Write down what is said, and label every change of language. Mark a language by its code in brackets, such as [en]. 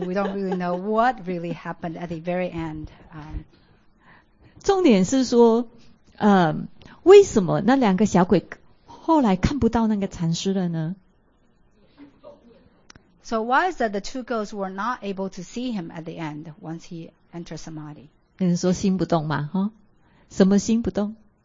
[en] We don't really know what really happened at the very end. [zh] 重点是说，为什么那两个小鬼后来看不到那个禅师了呢？ [en] So why is that the two ghosts were not able to see him at the end once he entered Samadhi? [zh] 你说心不动吗？什么心不动？